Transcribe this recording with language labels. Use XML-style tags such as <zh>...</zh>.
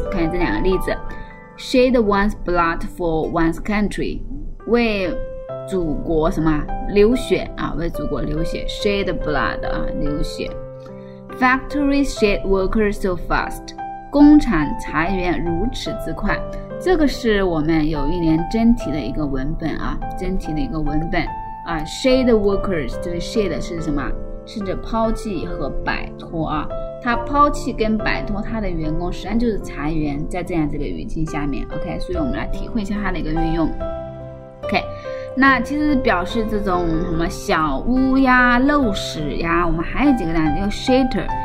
<zh>看这两个例子 ，</zh> <en>shed one's blood for one's country，</en> <zh>为祖国什么流血啊？为祖国流血 ，</zh> <en>shed blood</en> <zh>啊，流血。</zh> <en>Factory shed workers so fast。</en> <zh>工厂裁员如此之快，这个是我们有一年真题的一个文本啊，真题的一个文本啊。</zh> <en>Shade workers，</en> <zh>这个 shade 是什么？是指抛弃和摆脱啊。他抛弃跟摆脱他的员工，实际上就是裁员，在这样这个语境下面 ，OK。所以我们来体会一下它的一个运用 ，OK。那其实表示这种什么小屋呀、陋室呀，我们还有几个单词，叫 shelter。</zh>